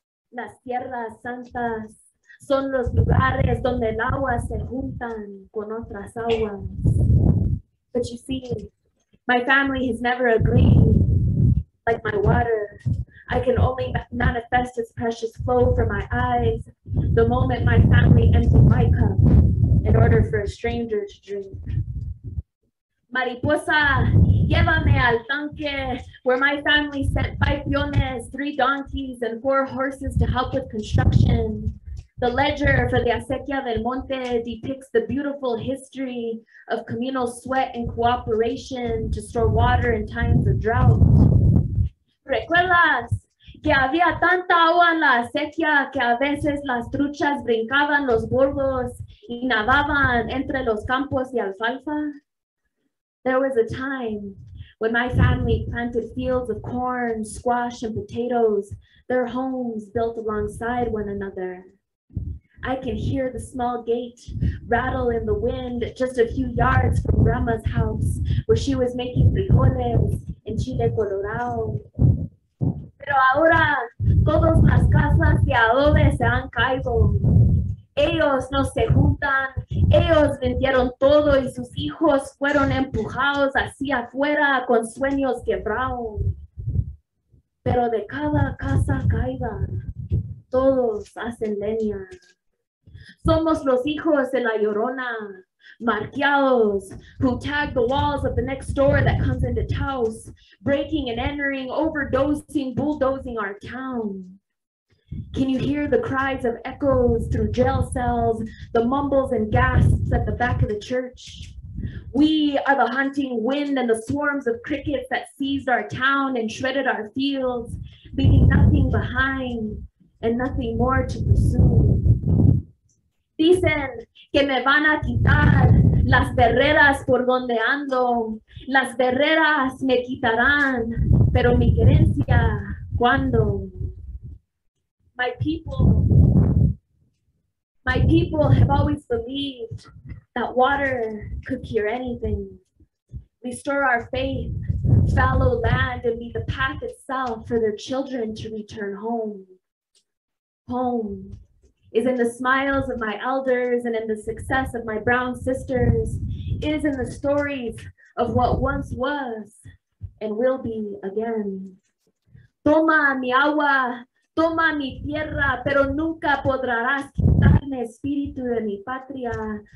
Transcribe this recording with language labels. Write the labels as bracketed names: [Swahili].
[Spanish] Las tierras santas son los lugares donde el agua se juntan con otras aguas. [English] But you see, my family has never agreed. Like my water, I can only manifest its precious flow from my eyes the moment my family empties my cup in order for a stranger to drink. [Spanish] Mariposa, llévame al tanque, [English] where my family sent 5 piones, 3 donkeys, and 4 horses to help with construction. The ledger for the Acequia del Monte depicts the beautiful history of communal sweat and cooperation to store water in times of drought. [Spanish] Recuerdas que había tanta agua en la acequia que a veces las truchas brincaban los bordos y nadaban entre los campos y alfalfa? [English] There was a time when my family planted fields of corn, squash, and potatoes, their homes built alongside one another. I can hear the small gate rattle in the wind just a few yards from grandma's house where she was making frijoles in Chile Colorado. [Spanish] Pero ahora, todas las casas de adobe se han caído. Ellos no se juntan, ellos vendieron todo y sus hijos fueron empujados hacia afuera con sueños quebrados. Pero de cada casa caída, todos hacen leña. Somos los hijos de la Llorona, marqueados, [English] who tag the walls of the next door that comes into Taos, breaking and entering, overdosing, bulldozing our town. Can you hear the cries of echoes through jail cells, the mumbles and gasps at the back of the church? We are the hunting wind and the swarms of crickets that seized our town and shredded our fields, leaving nothing behind and nothing more to pursue. [Spanish] Dicen que me van a quitar las barreras por donde ando. Las barreras me quitarán, pero mi herencia, ¿cuándo? [English] My people have always believed that water could cure anything. Restore our faith, fallow land, and be the path itself for their children to return home. Home is in the smiles of my elders and in the success of my brown sisters. It is in the stories of what once was and will be again. [Spanish] Toma mi agua, toma mi tierra, pero nunca podrás quitarme espíritu de mi patria.